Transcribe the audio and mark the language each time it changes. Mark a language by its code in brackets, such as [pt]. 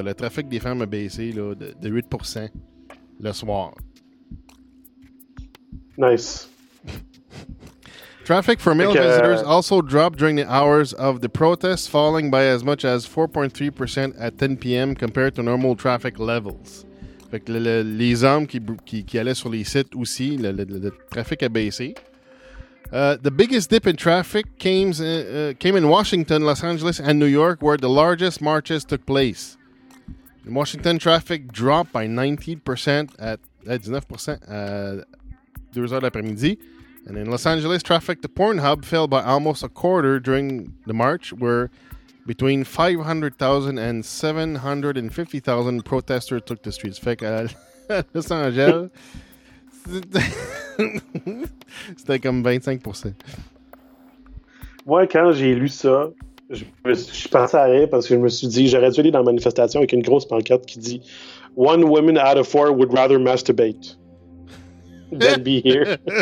[fr] Le trafic des femmes a baissé là, de 8% le soir. [en] Nice. Traffic for male visitors also dropped during the hours of the protests, falling by as much as 4.3% at 10 p.m. compared to normal traffic levels. [fr] Fait que les hommes qui allaient sur les sites aussi, le trafic a baissé. [en] The biggest dip in traffic came in Washington, Los Angeles, and New York, where the largest marches took place. In Washington, traffic dropped by 19% at 19% at [fr] 2 heures l'après-midi. [en] And in Los Angeles, traffic to Pornhub fell by almost a quarter during the march, where between 500,000 and 750,000 protesters took the streets. [fr] Fait qu'à Los Angeles, c'était comme 25%. Moi, quand j'ai lu ça, je pensais à rien parce que je me suis dit, j'aurais dû aller dans la manifestation avec une grosse pancarte qui dit [en] one woman out of four would rather masturbate than be here.